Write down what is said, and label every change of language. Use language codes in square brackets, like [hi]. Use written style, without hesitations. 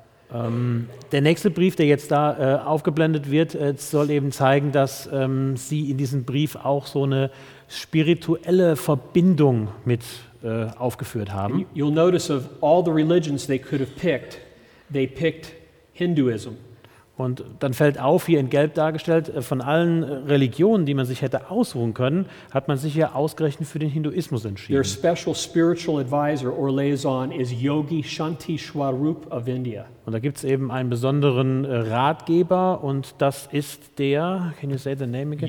[de] Der nächste Brief, der jetzt da aufgeblendet wird, soll eben zeigen, dass sie in diesem Brief auch so eine spirituelle Verbindung mit aufgeführt haben. [en] You'll notice of all the religions they could have picked, they picked Hinduism. [de] Und dann fällt auf, hier in gelb dargestellt, von allen Religionen, die man sich hätte aussuchen können, hat man sich ja ausgerechnet für den Hinduismus entschieden. [en] Their special spiritual advisor or liaison is Yogi Shanti Swarup of India. [de] Und da gibt es eben einen besonderen Ratgeber und das ist der, [en] can you say the name again?